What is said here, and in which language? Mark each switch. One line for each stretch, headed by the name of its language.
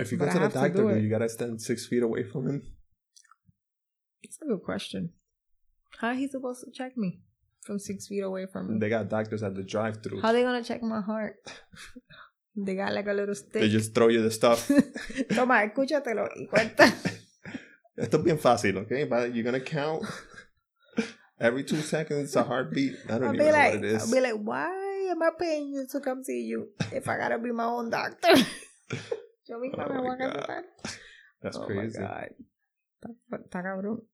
English: If you go to the doctor, you gotta stand 6 feet away from him? That's a good question. How is he supposed to check me from 6 feet away from me? They got doctors at the drive-thru. How are they gonna check my heart? They got like a little stick. They just throw you the stuff.
Spanish: Toma, escúchatelo y cuenta. Esto es bien fácil, okay?
English: But you're going to count. Every 2 seconds, a heartbeat. I don't even know what it is. I'll be like, why am I paying you to come see you if I got to be my own doctor?
Spanish: Yo misma me voy a casar.
English: That's crazy.
Spanish: Está cabrón.